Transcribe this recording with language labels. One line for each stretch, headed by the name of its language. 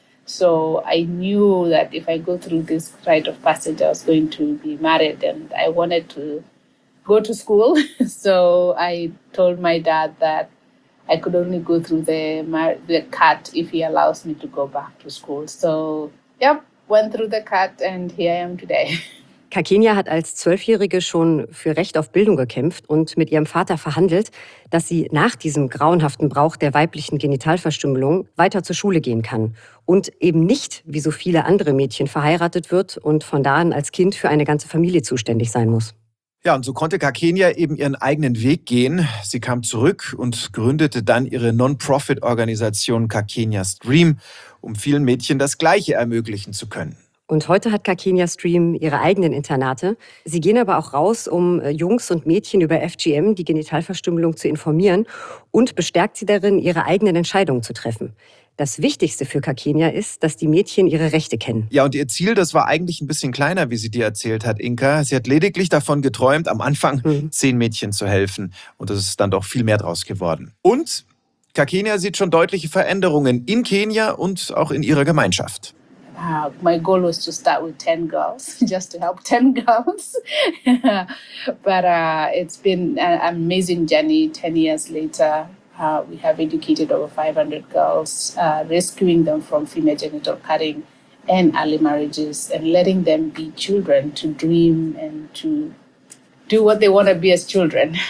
English: So I knew that if I go through this rite of passage, I was going to be married, and I wanted to go to school. So I told my dad that I could only go through the cut if he allows me to go back to school. So, yep, went through the cut and here I am today.
German: Kakenia hat als 12-Jährige schon für Recht auf Bildung gekämpft und mit ihrem Vater verhandelt, dass sie nach diesem grauenhaften Brauch der weiblichen Genitalverstümmelung weiter zur Schule gehen kann und eben nicht, wie so viele andere Mädchen, verheiratet wird und von da an als Kind für eine ganze Familie zuständig sein muss. Ja, und so konnte Kakenia eben ihren eigenen Weg gehen. Sie kam zurück und gründete dann ihre Non-Profit-Organisation Kakenia's Dream, um vielen Mädchen das Gleiche ermöglichen zu können. Und heute hat Kakenia's Dream ihre eigenen Internate. Sie gehen aber auch raus, um Jungs und Mädchen über FGM, die Genitalverstümmelung, zu informieren und bestärkt sie darin, ihre eigenen Entscheidungen zu treffen. Das Wichtigste für Kakenia ist, dass die Mädchen ihre Rechte kennen. Ja, und ihr Ziel, das war eigentlich ein bisschen kleiner, wie sie dir erzählt hat, Inka. Sie hat lediglich davon geträumt, am Anfang 10 Mädchen zu helfen. Und es ist dann doch viel mehr draus geworden. Und Kakenia sieht schon deutliche Veränderungen in Kenia und auch in ihrer Gemeinschaft.
English: My goal was to start with 10 girls, just to help 10 girls. But it's been an amazing journey 10 years later. We have educated over 500 girls, rescuing them from female genital cutting and early marriages, and letting them be children to dream and to do what they want to be as children.